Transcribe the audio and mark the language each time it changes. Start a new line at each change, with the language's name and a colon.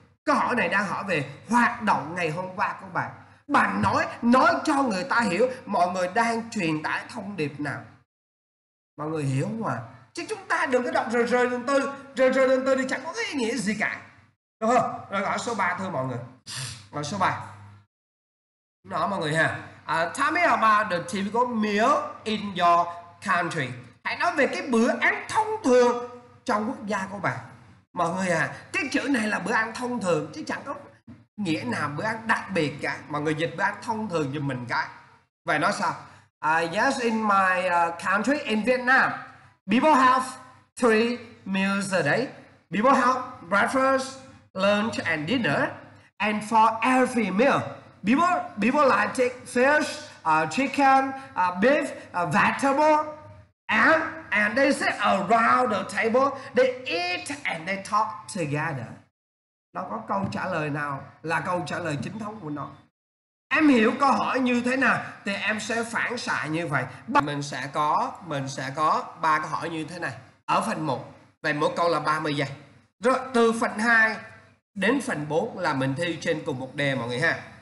Vietnamese: Câu hỏi này đang hỏi về hoạt động ngày hôm qua của bạn. Bạn nói cho người ta hiểu mọi người đang truyền tải thông điệp nào. Mọi người hiểu không ạ? Chứ chúng ta đừng có đọc rờ rờ lên tư thì chẳng có cái ý nghĩa gì cả. Đúng không? Rồi gọi số 3 thưa mọi người. Gọi số 3. Nói mọi người ha.
English: Tell me about the typical meal in your country.
Vietnamese: Hãy nói về cái bữa ăn thông thường trong quốc gia của bạn. Mọi người à, cái chữ này là bữa ăn thông thường chứ chẳng có nghĩa nào bữa ăn đặc biệt cả. Mọi người dịch bữa ăn thông thường giùm mình cái. Vậy nói sao?
English: Yes, in my country, in Vietnam, people have three meals a day. People have breakfast, lunch and dinner. And for every meal, people like take fish, chicken, beef, vegetable. And they sit around the table, they eat and they talk together.
Vietnamese: Nó có câu trả lời nào là câu trả lời chính thống của nó? Em hiểu câu hỏi như thế nào thì em sẽ phản xạ như vậy. Mình sẽ có ba câu hỏi như thế này ở phần 1. Vậy mỗi câu là 30 giây. Rồi từ phần 2 đến phần 4 là mình thi trên cùng một đề mọi người ha.